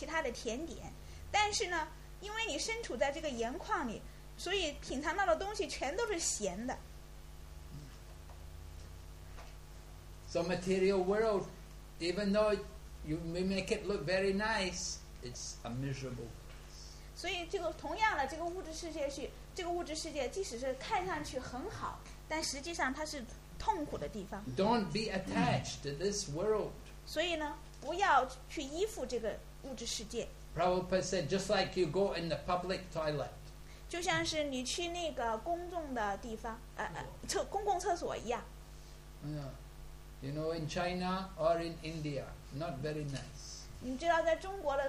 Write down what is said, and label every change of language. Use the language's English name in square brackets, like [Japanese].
[Chinese] 就像是你在一个盐矿里面，即便你身边有这个甜奶饭或者是其他的甜点，但是呢。因为你身处在这个盐矿里，所以品尝到的东西全都是咸的。 [English] So material world, even though you may make it look very nice, it's a miserable place. [Chinese] 所以这个同样的，这个物质世界，即使是看上去很好，但实际上它是痛苦的地方。 [English] Don't be attached to this world. [Chinese] 所以呢，不要去依附这个物质世界。 [English] Prabhupada said, just like you go in the public toilet. [Chinese] 就像是你去那个公共的地方，公共厕所一样。 [English] You know, in China or in India, not very nice.